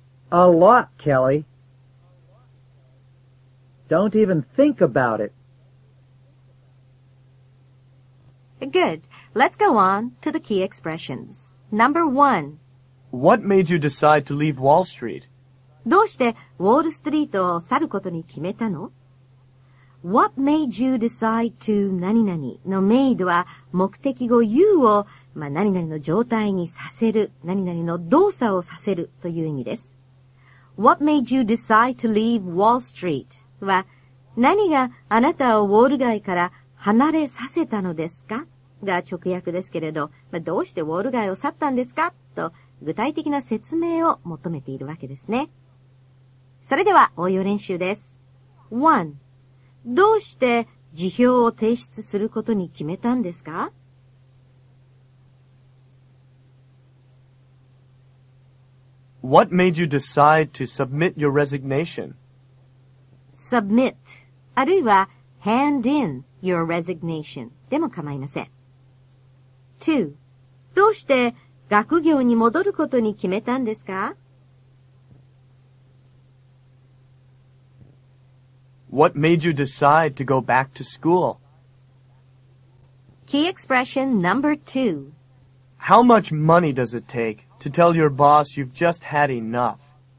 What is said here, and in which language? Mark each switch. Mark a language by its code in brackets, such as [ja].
[en] A lot, Kelly. Don't even think about it. Good. Let's go on to the key expressions. Number one. What made you decide to leave Wall Street? [ja] どうしてウォールストリートを去ることに決めたの? [en] What made you decide to [ja] 何々の made は目的語 you を、まあ、何々の状態にさせる、何々の動作をさせるという意味です。 [en] What made you decide to leave Wall Street? [ja] は何があなたをウォール街から離れさせたのですかが直訳ですけれど、まあ、どうしてウォール街を去ったんですかと具体的な説明を求めているわけですね。それでは応用練習です。 1. どうして辞表を提出することに決めたんですか [en] ?What made you decide to submit your resignation?Submit [ja] あるいは [en] hand in. Your resignation. [ja] でも構いません。2. どうして学業に戻ることに決めたんですか? [en] What made you decide to go back to school? Key expression number 2. How much money does it take to tell your boss you've just had enough?